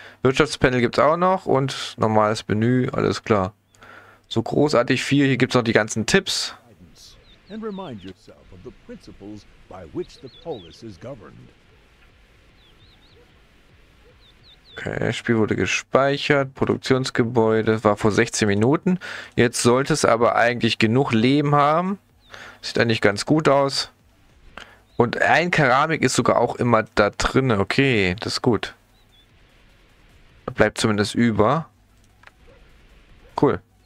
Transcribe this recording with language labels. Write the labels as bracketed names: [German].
[German] Wirtschaftspanel gibt es auch noch und normales Menü, alles klar. So großartig viel, hier gibt es noch die ganzen Tipps. [English] And remind yourself of the principles by which the polis is governed. [German] Okay, das Spiel wurde gespeichert, Produktionsgebäude, war vor 16 Minuten. Jetzt sollte es aber eigentlich genug Leben haben. Sieht eigentlich ganz gut aus. Und ein Keramik ist sogar auch immer da drin. Okay, das ist gut. Bleibt zumindest über. Cool.